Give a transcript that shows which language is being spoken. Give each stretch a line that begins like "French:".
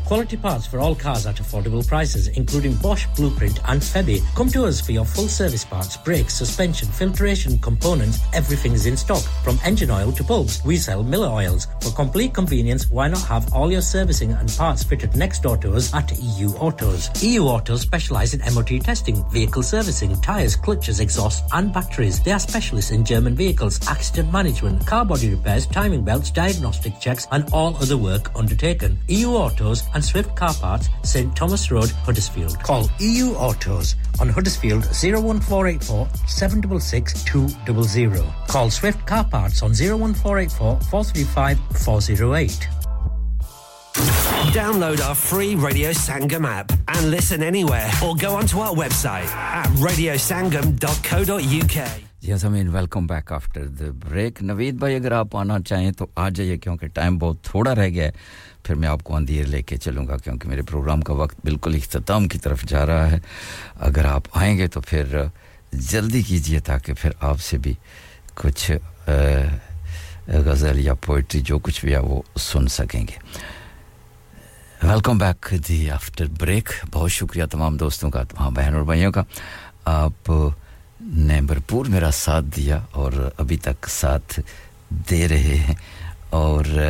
English: Quality parts for all cars at affordable prices including Bosch Blueprint and Febi come to us for your full service parts brakes suspension filtration components everything is in stock from engine oil to bulbs we sell Miller oils for complete convenience why not have all your servicing and parts fitted next door to us at EU Autos specialise in MOT testing, vehicle servicing, tyres, clutches, exhausts and batteries. They are specialists in German vehicles, accident management, car body repairs, timing belts, diagnostic checks and all other work undertaken. EU Autos and Swift Car Parts, St Thomas Road, Huddersfield. Call EU Autos on Huddersfield 01484 766 200. Call Swift Car Parts on 01484 435 408. Download our free Radio Sangam app and listen anywhere or go onto our website at radiosangam.co.uk. Yes, I mean, welcome back after the break.
Urdu: Naveed bhai, agar aap aana chahe to aa jaiye kyunki time bahut thoda reh gaya hai. پھر میں آپ کو اندھیر لے کے چلوں گا کیونکہ میرے programme کا وقت بالکل اختتام کی طرف جا رہا ہے اگر آپ آئیں گے تو پھر جلدی کیجئے تاکہ پھر آپ سے بھی کچھ غزل یا پوئٹری جو کچھ بھی وہ سن سکیں گے
English: welcome back the after break
Urdu: بہت شکریہ تمام دوستوں کا تمام بہن اور بھائیوں کا آپ نے بھرپور میرا ساتھ دیا اور ابھی تک ساتھ دے رہے ہیں اور